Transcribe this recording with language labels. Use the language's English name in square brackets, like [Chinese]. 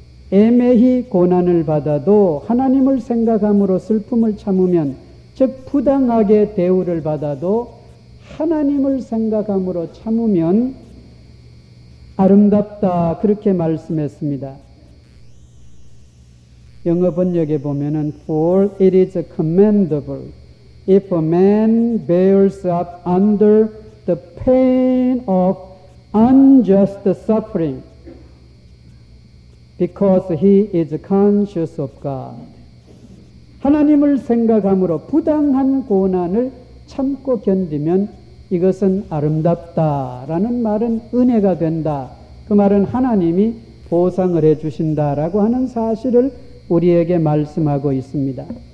[Korean] 애매히 고난을 받아도 하나님을 생각함으로 슬픔을 참으면 즉 부당하게 대우를 받아도 하나님을 생각함으로 참으면 아름답다 그렇게 말씀했습니다. 영어 번역에 보면은 [English] For it is commendable if a man bears up under the pain of unjust suffering because he is conscious of God. [Korean] 하나님을 생각함으로 부당한 고난을 참고 견디면 이것은 아름답다라는 말은 은혜가 된다. 그 말은 하나님이 보상을 해주신다라고 하는 사실을 우리에게 말씀하고 있습니다.